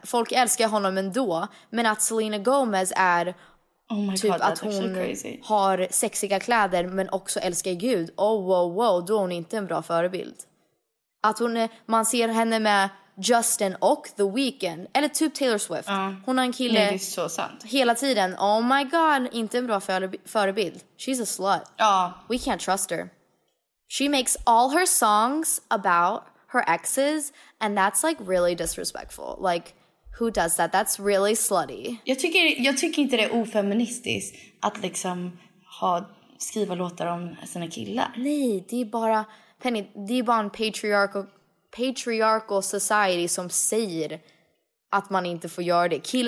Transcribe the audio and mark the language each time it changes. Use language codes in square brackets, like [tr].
[sv] Folk älskar honom ändå. Men att Selena Gomez är att hon har sexiga kläder men också älskar Gud. Då är hon inte en bra förebild. Att hon är, man ser henne med Justin och The Weeknd. Eller typ Taylor Swift. Hon har en kille hela tiden. [en] Oh my god, [sv] inte en bra förebild. [en] She's a slut. We can't trust her. She makes all her songs about her exes, and that's like really disrespectful. Like, who does that? That's really slutty. [sv] Jag tycker inte det är ofeministiskt att liksom skriva låtar om sina killar. Nej, det är bara Penny, det är bara en [en] patriarchal society [sv] som säger att man inte får göra det.